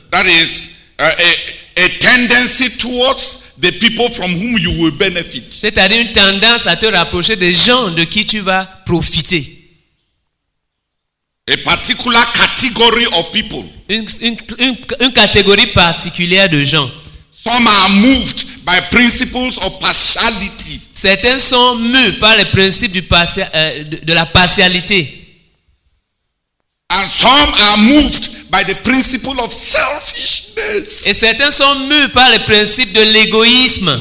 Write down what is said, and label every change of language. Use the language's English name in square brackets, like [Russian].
[English] That is a tendency towards the people from whom you will benefit. [French] C'est-à-dire une tendance à te rapprocher des gens de qui tu vas profiter. [English] A particular category of people. [French] Une catégorie particulière de gens. [English] Some are moved by principles of partiality. [French] Certains sont mus par les principes du de la partialité. [English] And some are moved by the principle of selfishness. [French] Et certains sont mus par les principes de l'égoïsme.